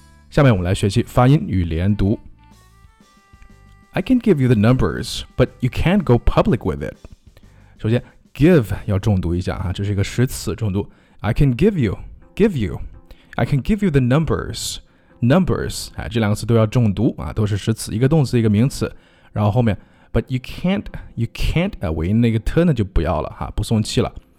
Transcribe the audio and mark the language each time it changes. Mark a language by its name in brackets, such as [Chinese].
[Chinese] 下面我们来学习发音与连读。 [English] I can give you the numbers, but you can't go public with it. [Chinese] 首先 ，give 要重读一下哈、啊，这是一个实词重读。 [English] I can give you, give you. I can give you the numbers, numbers, [Chinese] 这两个词都要重读、啊、都是实词，一个动词一个名词，然后后面 [English] but you can't, you can't, [Chinese] 尾音那个 t 呢就不要了、啊、不送气了